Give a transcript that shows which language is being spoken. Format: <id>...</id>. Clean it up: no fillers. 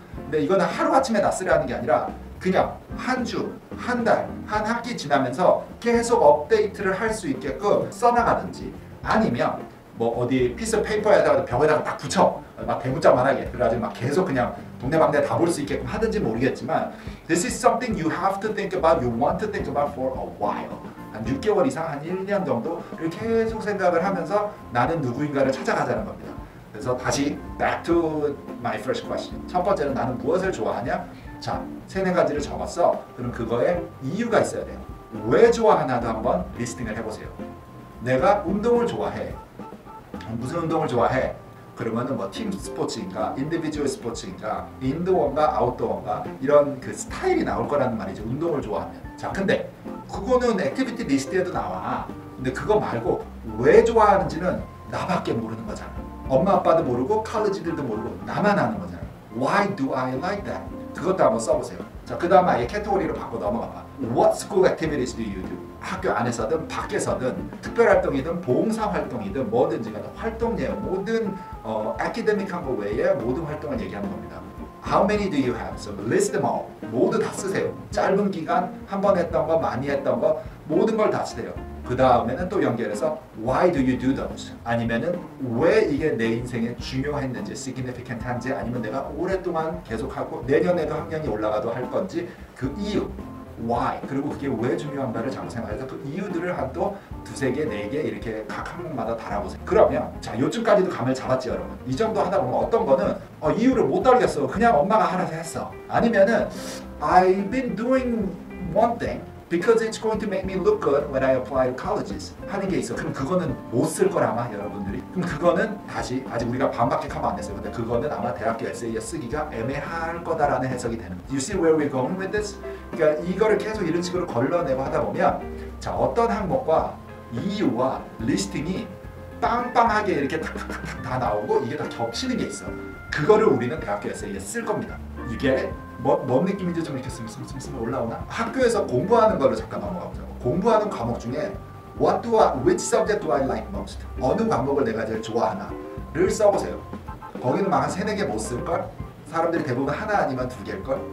<ko>근데 이거는 하루아침에 다 쓰라는 게 아니라 그냥 한 주, 한 달, 한 학기 지나면서 계속 업데이트를 할 수 있게끔 써나가든지 아니면 뭐 어디 피스 페이퍼에다가 벽에다가 딱 붙여 막 대문짝만하게 그래가지고 막 계속 그냥 동네방네 다 볼 수 있게끔 하든지 모르겠지만</ko> <en>This is something you have to think about, you want to think about for a while.</en> <ko>한 6개월 이상, 한 1년 정도를 계속 생각을 하면서 나는 누구인가를 찾아가자는 겁니다. 그래서 다시</ko> <en>back to my first question.</en> <ko>첫 번째는 나는 무엇을 좋아하냐? 자, 세네 가지를 적었어. 그럼 그거에 이유가 있어야 돼요. 왜 좋아하나도 한번 리스팅을 해보세요. 내가 운동을 좋아해. 무슨 운동을 좋아해? 그러면은 뭐 팀 스포츠인가, 인디비주얼 스포츠인가, 인도어인가, 아웃도어인가 이런 그 스타일이 나올 거라는 말이죠. 운동을 좋아하면. 자, 근데 그거는 액티비티 리스트에도 나와. 근데 그거 말고 왜 좋아하는지는 나밖에 모르는 거잖아. 엄마 아빠도 모르고 칼리지들도 모르고 나만 아는 거잖아.</ko> <en>Why do I like that?</en> <ko>그것도 한번 써보세요. 자, 그 다음 아예 캐테고리로 바꿔 넘어가봐.</ko> <en>What school activities do you do?</en> <ko>학교 안에서든 밖에서든 특별활동이든 봉사활동이든 뭐든지 간에 활동이에요. 모든 아카데믹한 거 외에 모든 활동을 얘기하는 겁니다.</ko> <en>How many do you have? So list them all.</en> <ko>모두 다 쓰세요. 짧은 기간 한 번 했던 거 많이 했던 거 모든 걸 다 쓰세요. 그 다음에는 또 연결해서</ko> <en>Why do you do those?</en> <ko>아니면은 왜 이게 내 인생에 중요했는지 significant 한지 아니면 내가 오랫동안 계속하고 내년에도 학년이 올라가도 할 건지 그 이유 Why? 그리고 그게 왜 중요한가를 자꾸 생각해서 그 이유들을 한 또 두세 개, 네 개 이렇게 각 항목마다 달아보세요. 그러면 자 요즘까지도 감을 잡았지 여러분. 이 정도 하다 보면 어떤 거는 이유를 못 달겠어. 그냥 엄마가 하라고 했어.</ko> <en>아니면은 I've been doing one thing because it's going to make me look good when I apply to colleges</en> <ko>하는 게 있어. 그럼 그거는 못 쓸 걸 아마 여러분들이. 그럼 그거는 다시 아직 우리가 반바퀴 가면 안 됐어요. 근데 그거는 아마 대학교 에세이에 쓰기가 애매할 거다라는 해석이 되는 거예요.</ko> <en>You see where we're going with this?</en> <ko>그러니까 이거를 계속 이런 식으로 걸러내고 하다 보면 자 어떤 항목과 이유와 리스팅이 빵빵하게 이렇게 탁탁탁 다 나오고 이게 다 겹치는 게 있어. 그거를 우리는 대학교 에세이에 쓸 겁니다. 이게 뭔 느낌인지 좀 이렇게 스며 올라오나? 학교에서 공부하는 걸로 잠깐 넘어가보자. 공부하는 과목 중에</ko> <en>which subject do I like most?</en> <ko>어느 과목을 내가 제일 좋아하나? 를 써보세요. 거기는 막 한 세네 개 못 쓸걸? 사람들이 대부분 하나 아니면 두 개일걸?</ko>